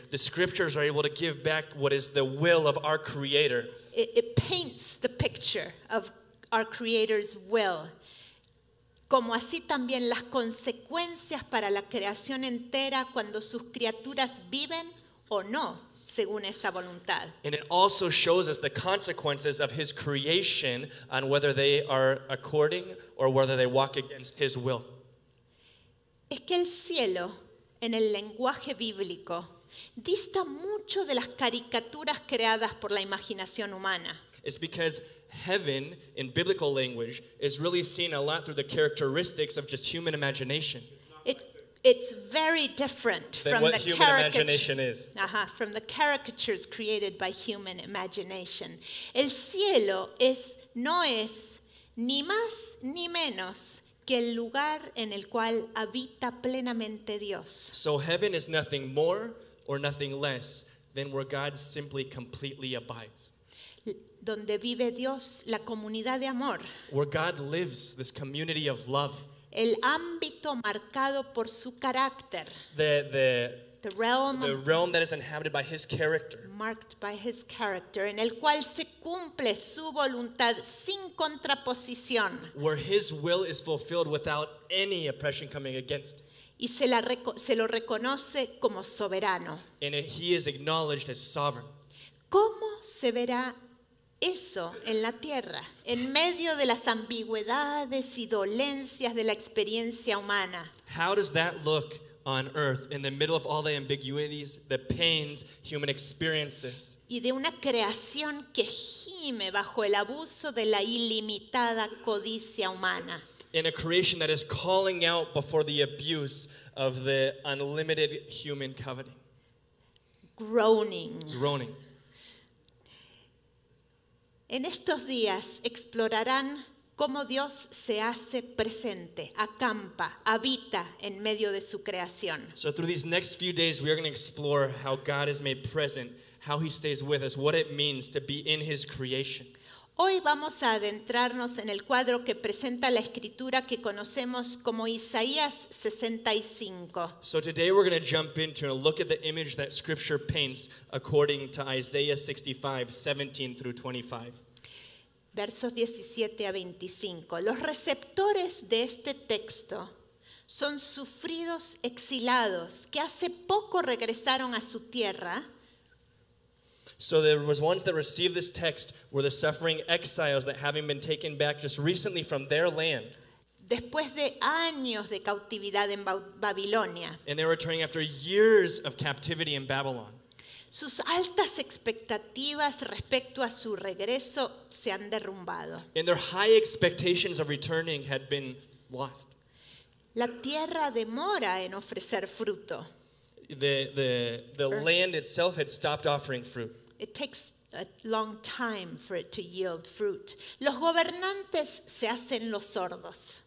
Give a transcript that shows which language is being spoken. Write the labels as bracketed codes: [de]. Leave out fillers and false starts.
[en] the scriptures are able to give back what is the will of our Creator. It paints the picture of our Creator's will. [es] Como así también las consecuencias para la creación entera cuando sus criaturas viven o no según esa voluntad. [en] And it also shows us the consequences of his creation on whether they are according or whether they walk against his will. [es] Es que el cielo, en el lenguaje bíblico, dista mucho de las caricaturas creadas por la imaginación humana. [en] It's because heaven, in biblical language, is really seen a lot through the characteristics of just human imagination. It's very different from what human imagination is. From the caricatures created by human imagination. [es] El cielo no es ni más ni menos que el lugar en el cual habita plenamente Dios. [en] So heaven is nothing more or nothing less than where God simply completely abides. [es] Donde vive Dios, la comunidad de amor. [en] Where God lives, this community of love. [es] El ámbito marcado por su carácter. [en] The realm that is inhabited by his character. Marked by his character, [es] en el cual se cumple su voluntad sin contraposición. [en] Where his will is fulfilled without any oppression coming against. [es] Y se lo reconoce como soberano. [en] And he is acknowledged as sovereign. [es] ¿Cómo se verá eso en la tierra, en medio de las ambigüedades y dolencias de la experiencia humana? [en] How does that look on earth in the middle of all the ambiguities, the pains, human experiences? [es] Y de una creación que gime bajo el abuso de la ilimitada codicia humana. [en] In a creation that is calling out before the abuse of the unlimited human coveting. Groaning. [es] En estos días explorarán cómo Dios se hace presente, acampa, habita en medio de su creación. [en] So through these next few days we are going to explore how God is made present, how he stays with us, what it means to be in his creation. [es] Hoy vamos a adentrarnos en el cuadro que presenta la escritura que conocemos como Isaías 65. [en] So today we're going to jump into and look at the image that scripture paints according to Isaiah 65, 17 through 25. [es] Versos 17 a 25. Los receptores de este texto son sufridos exilados que hace poco regresaron a su tierra. [en] So there was ones that received this text were the suffering exiles that having been taken back just recently from their land. [es] Después de años de cautividad en Babilonia. [en] And they were returning after years of captivity in Babylon. [es] Sus altas expectativas respecto a su regreso se han derrumbado. [en] And their high expectations of returning had been lost. [es] La tierra demora en ofrecer fruto. [en] The land itself had stopped offering fruit. It takes a long time for it to yield fruit. [es] Los gobernantes se hacen los sordos.